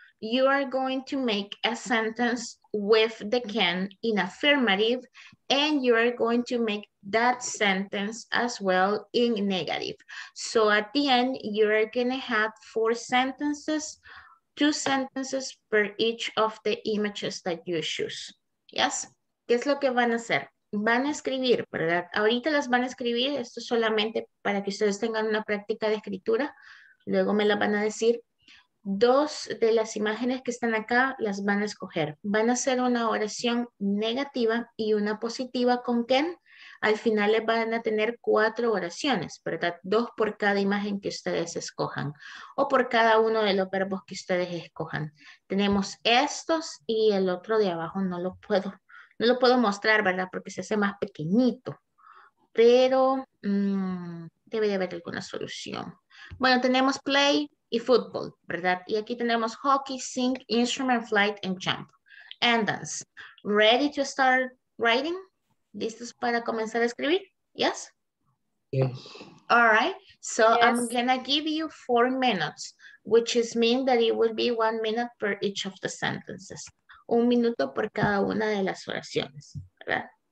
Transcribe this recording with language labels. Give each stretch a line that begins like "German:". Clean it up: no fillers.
English: You are going to make a sentence with the can in affirmative, and you are going to make that sentence as well in negative. So at the end, you are gonna have four sentences, two sentences per each of the images that you choose.
Spanish: Yes? ¿Qué es lo que van a hacer? Van a escribir, ¿verdad? Ahorita las van a escribir, esto solamente para que ustedes tengan una práctica de escritura, luego me las van a decir. Dos de las imágenes que están acá las van a escoger. Van a hacer una oración negativa y una positiva con Ken. Al final les van a tener cuatro oraciones, ¿verdad? Dos por cada imagen que ustedes escojan o por cada uno de los verbos que ustedes escojan. Tenemos estos y el otro de abajo no lo puedo mostrar, ¿verdad? Porque se hace más pequeñito. Pero debe de haber alguna solución. Bueno, tenemos play y fútbol, ¿verdad? Y aquí tenemos hockey,
English: sink, instrument, flight, and jump. And dance. Ready to start writing?
Spanish: ¿Listos para comenzar a escribir?
English: Yes? Yes. All right. So yes. I'm going to give you 4 minutes, which is mean that it will be 1 minute per each of the sentences.
Spanish: 1 minuto por cada una de las oraciones, ¿verdad?